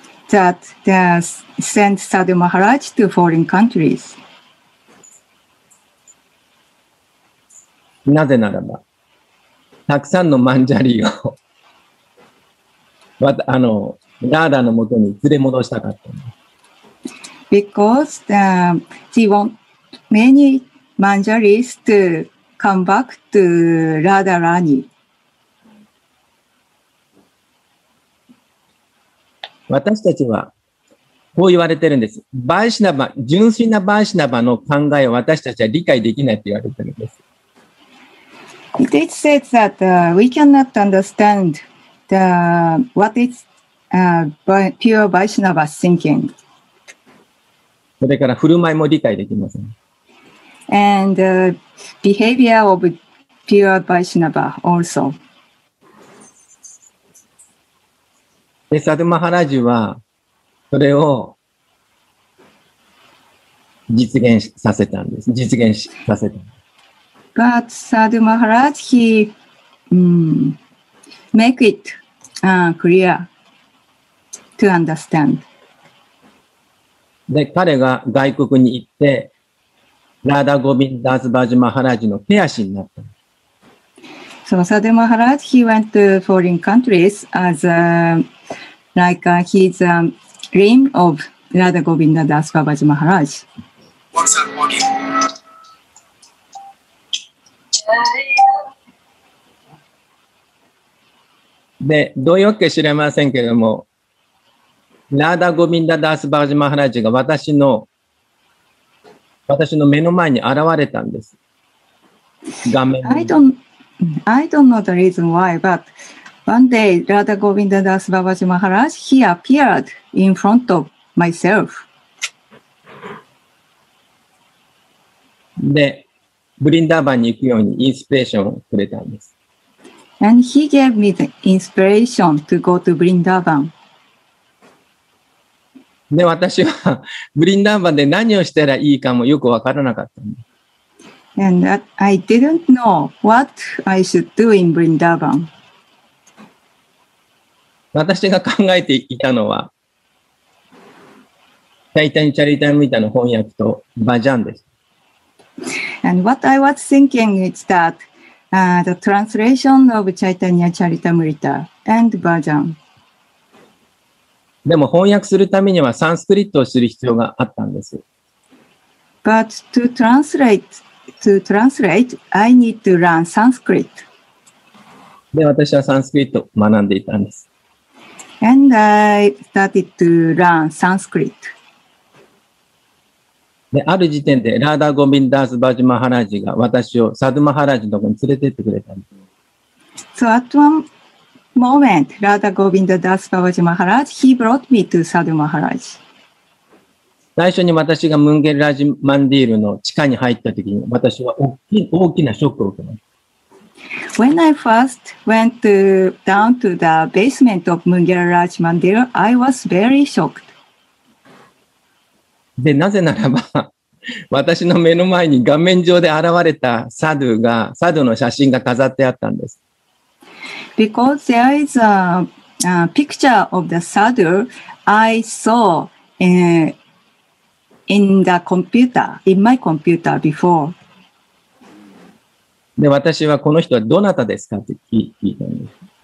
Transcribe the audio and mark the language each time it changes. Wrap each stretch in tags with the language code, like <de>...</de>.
<en>That they sent Sadhu Maharaj to foreign countries.</en> <ja>なぜならば、たくさんのマンジャリを、ラーダのもとに連れ戻したかった。</ja> <en>Because she want many マンジャリ to come back to Radha Rani.</en> <ja>私たちは、こう言われてるんです。バイシナバ、純粋なバイシナバの考えを私たちは理解できないって言われてるんです。</ja> <en>It is said that we cannot understand the, what is pure Vaishnava thinking.</en> <ja>それから振る舞いも理解できません。</ja> <en>And behavior of pure Vaishnava also.</en> <ja>で、サドゥ・マハラジはそれを実現させたんです。実現させた。</ja> <en>But Sadhu Maharaj, he make it clear to understand.</en> <ja>で、彼が外国に行って、ラーダ・ゴビンダース・バージ・マハラジの手足になった。</ja> <en>So Sadhu Maharaj, he went to foreign countries as his limb of Radha Govinda Das Babaji Maharaj. What's up, Mogi?</en> <ja>で、どういうわけか知れませんけれども、ラーダ・ゴビンダ・ダース・バージ・マハラジが私の目の前に現れたんです。画面に</ja> <en>I don't know the reason why, but one day ラーダ・ゴビンダ・ダース・バージ・マハラジ he appeared in front of myself.</en> <ja>で、ブリンダーバンに行くようにインスピレーションをくれたんです。</ja> <en>And he gave me the inspiration to go to Vrindavan.</en> <ja>で、私はブリンダーバンで何をしたらいいかもよくわからなかったんです。</ja> <en>And I didn't know what I should do in Vrindavan.</en> <ja>私が考えていたのは、チャイタニ・チャリタムリタの翻訳とバジャンです。</ja> <en>And what I was thinking is that the translation of Chaitanya Charitamrita and Bhajan.</en> <ja>でも翻訳するためにはサンスクリットを知る必要があったんです。</ja> <en>But to translate, I need to learn Sanskrit.</en> <ja>で、私はサンスクリットを学んでいたんです。</ja> <en>And I started to learn Sanskrit.</en> <ja>で、ある時点でラーダ・ゴビンダース・バジ・マハラジが私をサドゥ・マハラジのところに連れてってくれたんです。</ja> <en>So at one moment, Radha Govinda Das Babaji Maharaj, he brought me to Sadhu Maharaj.</en> <ja>最初に私がムンゲルラジマンディールの地下に入った時に私は大きなショックを受けました。</ja> <en>When I first went to, down to the basement of Mungera Raj Mandir, I was very shocked.</en> <ja>で、なぜならば私の目の前に画面上で現れたサドゥが、サドゥの写真が飾ってあったんです。</ja> <en>Because there is a picture of the sadhu I saw in the computer, in my computer before.</en> <ja>で、私はこの人はどなたですかって聞いたんです。</ja>